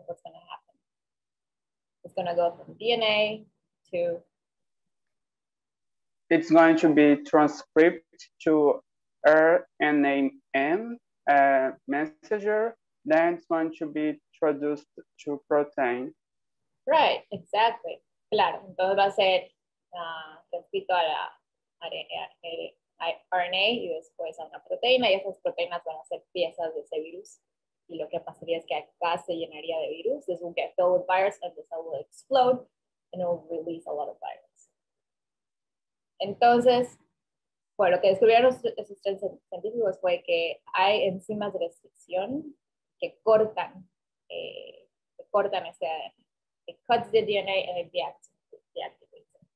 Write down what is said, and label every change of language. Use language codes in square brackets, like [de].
[en] What's going to happen? It's going to go from DNA to... It's going to be transcribed to RNA messenger, then it's going to be traduced to protein. Right, exactly. [es] Claro, entonces va a ser transcrito a la RNA y después a una proteína, y esas proteínas van a ser piezas de ese virus. Y lo que pasaría es que acá se llenaría de virus. [en] This will get filled with virus and the cell will explode and it will release a lot of virus. [es] Entonces, bueno, lo que descubrieron esos tres científicos fue que hay enzimas de restricción que cortan ese ADN. [en] It cuts the DNA and it deactivates it.